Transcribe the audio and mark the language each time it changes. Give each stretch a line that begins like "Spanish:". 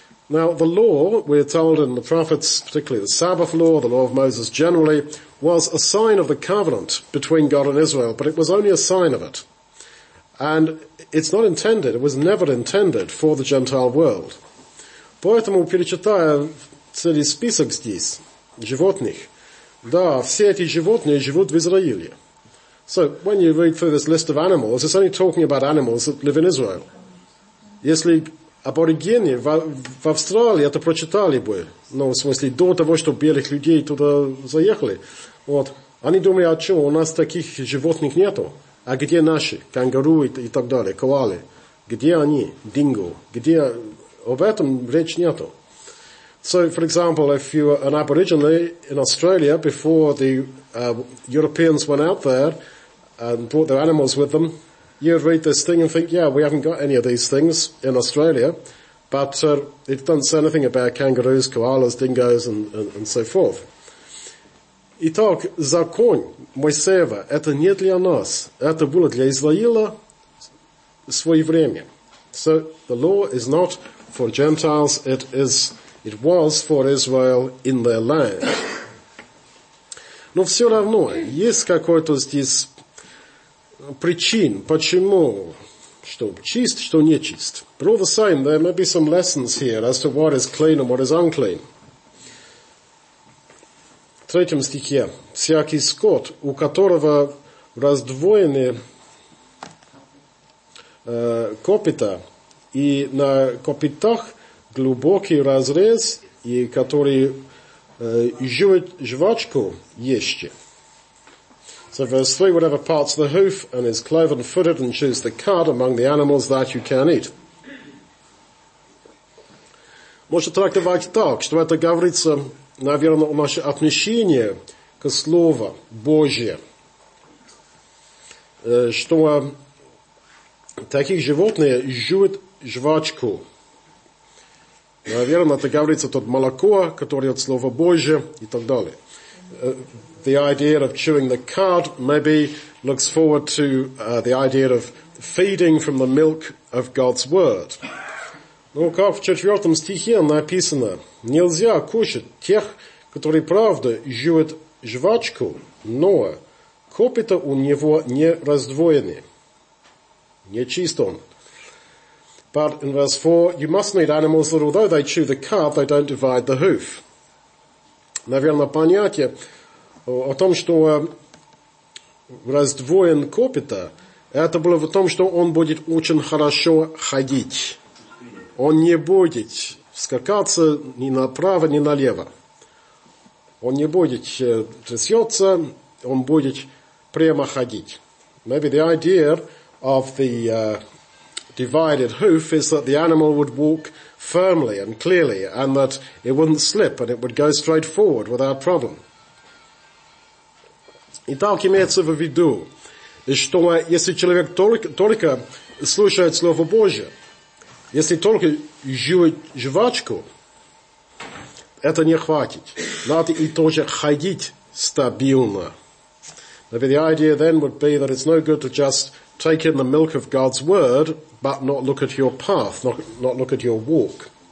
English: Now, the law, we're told in the prophets, particularly the Sabbath law, the law of Moses generally, was a sign of the covenant between God and Israel, but it was only a sign of it. And it's not intended, it was never intended for the Gentile world.
Russian: Поэтому перечитая целый список здесь, животных, да, все эти животные живут в Израиле.
English: So, when you read through this list of animals, it's only talking about animals that live in Israel.
Russian: Если аборигены в Австралии это прочитали бы, ну, в смысле, до того, что белых людей туда заехали, вот, они думали, а что, у нас таких животных нету? А где наши? Кенгуру и так далее, коалы. Где они? Динго. Где? Об этом речь нету.
English: So, for example, if you were an aboriginal in Australia before the Europeans went out there and brought their animals with them, you'd read this thing and think, yeah, we haven't got any of these things in Australia, but it doesn't say anything about kangaroos, koalas, dingoes, and so forth.
Russian: Итак, закон Моисеева, это не для нас, это было для Израиля свое время.
English: So, the law is not for Gentiles, it was for Israel in their land.
Russian: Но все равно, есть какой-то здесь причин, почему, что чист, что нечист.
English: But all the same, there may be some lessons here as to what is clean and what is unclean.
Russian: В третьем стихе, всякий скот, у которого раздвоены копыта, и на копытах глубокий разрез, и который жвачку еще.
English: So verse 3, whatever parts the hoof and is cloven footed and chews the cud among the animals that you can eat.
Russian: Можно трактовать так, что это говорится, наверное, о наше отношение к Слову Божье, что таких животных жуют жвачку. Наверное, это говорится тот молоко, которое от Слова Божье и так далее.
English: The idea of chewing the cud maybe looks forward to the idea of feeding from the milk of God's word.
Russian: Ну, как в четвертом стихе написано, нельзя кушать тех, которые правда жуют жвачку, но копыта у него не раздвоены. Не чист он.
English: But in verse 4, you mustn't eat animals that although they chew the cud, they don't divide the hoof.
Russian: Наверное, понятие о том, что раздвоен копыта, это было в том, что он будет очень хорошо ходить. Он не будет скакаться ни направо, ни налево. Он не будет трясется, он будет прямо ходить.
English: Maybe the idea of the divided hoof is that the animal would walk firmly and clearly, and that it wouldn't slip, and it would go straight forward without problem.
Russian: Итак, имеется в виду, что если человек только слушает Слово Божие, если только жует жвачку, это не хватит. Надо и тоже ходить стабильно.
English: Maybe the idea then would be that it's no good to just take in the milk of God's word, but not look at your path, not look at your walk.